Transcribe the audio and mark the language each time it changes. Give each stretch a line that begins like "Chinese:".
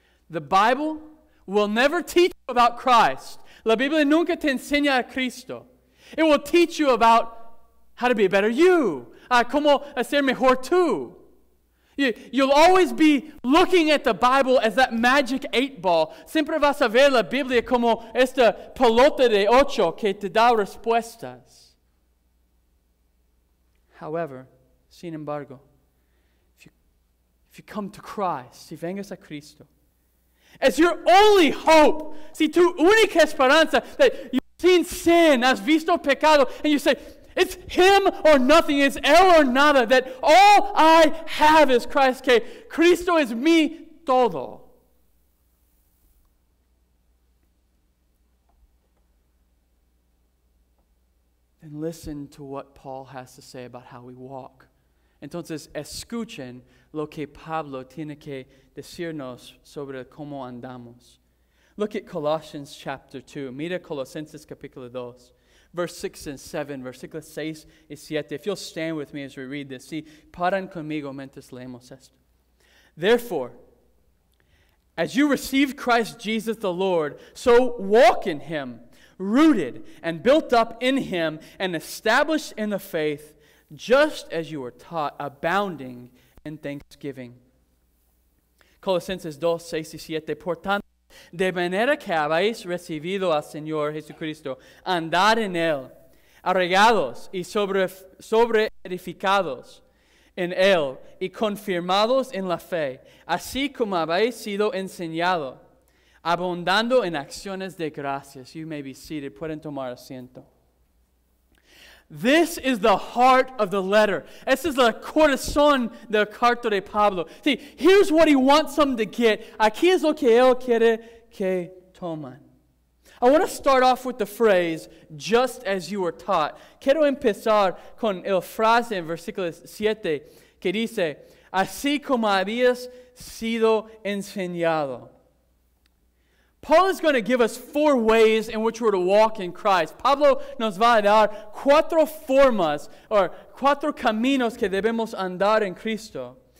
English: The Bible will never teach you about Christ.
Spanish: La Biblia nunca te enseña a Cristo.
English: It will teach you about how to be a better you.
Spanish: Cómo hacer mejor tú.
English: You'll always be looking at the Bible as that magic eight ball.
Spanish: Siempre vas a ver la Biblia como esta pelota de ocho que te da respuestas.
English: However,
Spanish: sin embargo,
English: if you come to Christ,
Spanish: si vengas a Cristo,
English: as your only hope,
Spanish: si tu única esperanza,
English: that you've seen sin,
Spanish: has visto pecado,
English: and you say, it's him or nothing, it's
Spanish: él
English: or
Spanish: nada,
English: that all I have is Christ,
Spanish: que Cristo es mi todo.
English: And listen to what Paul has to say about how we walk.
Spanish: Entonces, escuchen lo que Pablo tiene que decirnos sobre cómo andamos.
English: Look at Colossians chapter 2.
Spanish: Mira Colosenses capítulo 2.
English: Verse 6 and 7.
Spanish: Versículos 6 y 7.
English: If you'll stand with me as we read this.
Spanish: Sí, paran conmigo mientras leemos esto.
English: Therefore, as you received Christ Jesus the Lord, so walk in him, rooted and built up in him and established in the faith, just as you were taught, abounding in thanksgiving.
Spanish: Colosenses 2, 6 y 7. Por tanto, de manera que habéis recibido al Señor Jesucristo, andad en él, arraigados y sobre edificados en él y confirmados en la fe, así como habéis sido enseñado, abundando en acciones de gracias.
English: You may be seated.
Spanish: Pueden tomar asiento.
English: This is the heart of the letter.
Spanish: Este es el corazón del carto de Pablo.
English: See, here's what he wants them to get.
Spanish: Aquí es lo que él quiere que tomen.
English: I want to start off with the phrase, just as you were taught.
Spanish: Quiero empezar con el frase en versículo 7 que dice, así como habías sido enseñado.
English: Paul is going to give us four ways in which we're to walk in Christ.
Spanish: Pablo nos va a dar cuatro formas, or cuatro caminos que debemos andar en Cristo.